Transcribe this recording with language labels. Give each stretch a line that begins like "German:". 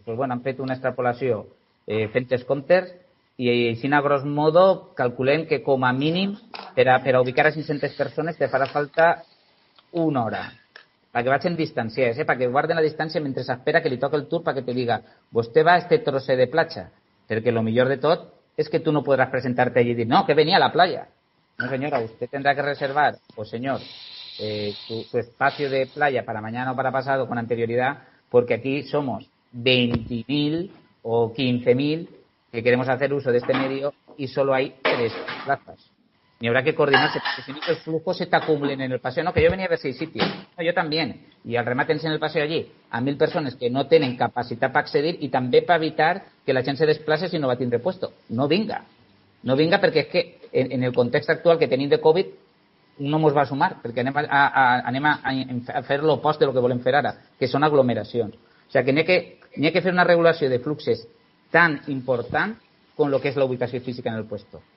Catalan: Pues bueno, han fet una extrapolació fent els comptes i així a gros modo calculem que com a mínim per a ubicar a 500 persones te farà falta una hora perquè vagin distanciades, perquè guarden la distància mentre s'espera que li toca el tour perquè te diga, vostè va a este trosse de platja, perquè el millor de tot és que tu no podràs presentar-te allí i dir no, que venia a la playa. No senyora, vostè tindrà que reservar, o senyor,
Spanish: su espacio de playa para mañana o para pasado con anterioridad, porque aquí somos 20.000 o 15.000 que queremos hacer uso de este medio y solo hay 3 plazas. Y habrá que coordinarse, porque si no, el flujo se te acumulen en el paseo. No, que yo venía a ver 6 sitios. No, yo también. Y al remátense en el paseo allí a 1.000 personas que no tienen capacidad para acceder y también para evitar que la gente se desplace si no va a tener puesto. No venga. No venga porque es que en el contexto actual que tenéis de COVID
Catalan: no ens va sumar, perquè anem a fer l'opost del que volem fer ara, que són aglomeracions. O sigui, que n'hi ha que fer una regulació de fluxes tan important com el que és la ubicació física en el puesto.